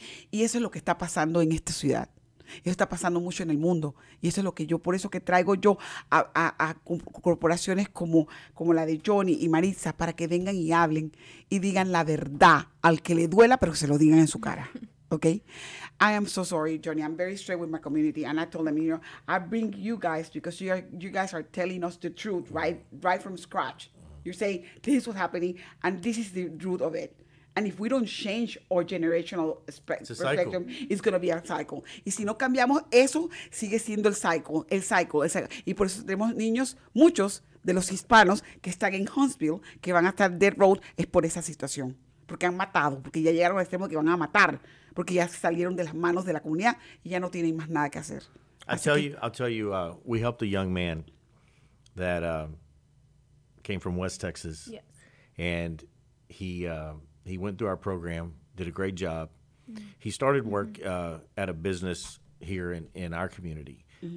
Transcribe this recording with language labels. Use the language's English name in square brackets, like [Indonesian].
[Spanish] Y eso es lo que está pasando en esta ciudad. Eso está pasando mucho en el mundo. Y eso es lo que yo, por eso que traigo yo a corporaciones como la de Johnny y Marisa, para que vengan y hablen y digan la verdad al que le duela, pero que se lo digan en su cara. [English] Okay, I am so sorry, Johnny. I'm very straight with my community, and I told them, you know, I bring you guys because you guys are telling us the truth right from scratch. You say this is what's happening, and this is the truth of it. And if we don't change our generational perspective, it's going to be a cycle. [Spanish] Y si no cambiamos eso, sigue siendo el cycle. Y por eso tenemos niños, muchos de los hispanos que están en Huntsville, que van a estar [English] dead road, [Spanish] es por esa situación. Porque han matado, porque ya llegaron al extremo que van a matar, porque ya salieron de las manos de la comunidad y ya no tienen más nada que hacer. [English] I'll tell you, we helped a young man that came from West Texas. Yes. And he went through our program, did a great job. Mm-hmm. He started work at a business here in our community. Mm-hmm.